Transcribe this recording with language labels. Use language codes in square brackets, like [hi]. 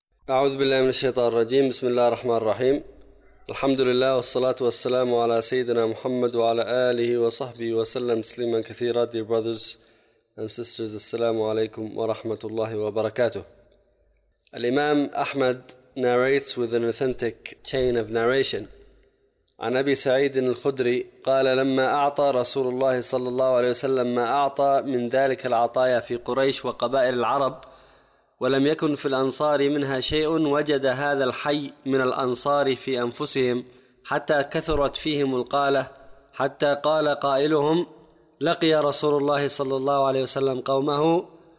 [ar] أعوذ بالله من الشيطان الرجيم. بسم الله الرحمن الرحيم. الحمد لله والصلاة والسلام على سيدنا محمد وعلى آله وصحبه وسلم تسليما كثيرا. [en] Dear brothers and sisters, [ar] السلام عليكم ورحمة الله وبركاته. [en] الإمام أحمد narrates with an authentic chain of narration. [ar] عن أبي سعيد الخدري قال لما أعطى رسول الله صلى الله عليه وسلم ما أعطى من ذلك العطايا في قريش وقبائل العرب ولم يكن في الأنصار منها شيء وجد هذا الحي من الأنصار في أنفسهم حتى كثرت فيهم القالة حتى قال قائلهم لقي رسول الله صلى الله عليه وسلم قومه